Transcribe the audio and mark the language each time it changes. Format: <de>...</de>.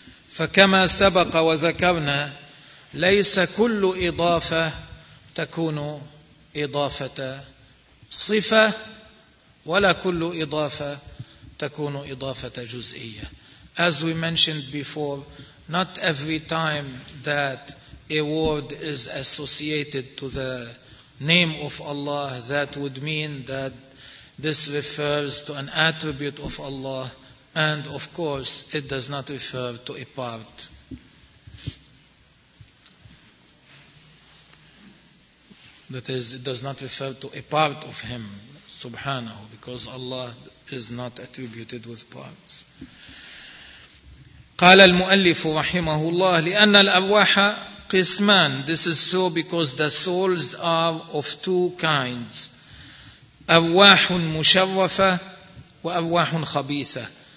<ar>فكما سبق وذكرنا ليس كل إضافة تكون إضافة صفة ولا كل إضافة تكون إضافة جزئية.</ar> <en>As we mentioned before, not every time that a word is associated to the name of Allah, that would mean that this refers to an attribute of Allah, and of course it does not refer to a part. That is, it does not refer to a part of Him, Subhanahu, because Allah is not attributed with parts.</en> <ar>قال المؤلف رحمه الله لأن الأرواح قسمان.</ar> <en>This is so because the souls are of two kinds.</en> <ar>أرواح مشرفة وأرواح خبيثة.</ar>